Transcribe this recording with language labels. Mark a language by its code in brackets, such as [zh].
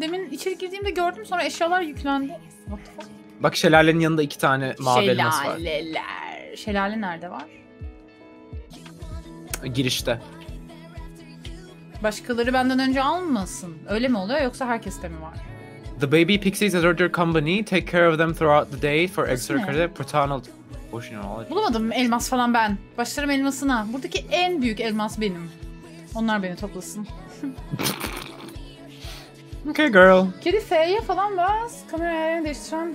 [tr] Demin içeri girdiğimde gördüm, sonra eşyalar yüklendi. Bak şelalenin yanında iki tane mavi şelaleler. Elmas var. Şelaleler. Şelale nerede var? Girişte. Başkaları benden önce almasın. Öyle mi oluyor yoksa herkeste mi var? [en] The baby pixies at their company take care of them throughout the day for extra credit. Paternal... [tr] Bulamadım elmas falan ben. Başlarım elmasına. Buradaki en büyük elmas benim. Onlar beni toplasın. [en] Okay girl. [tr] Kedi F'ye falan bas. Kamerayı değiştireceğim.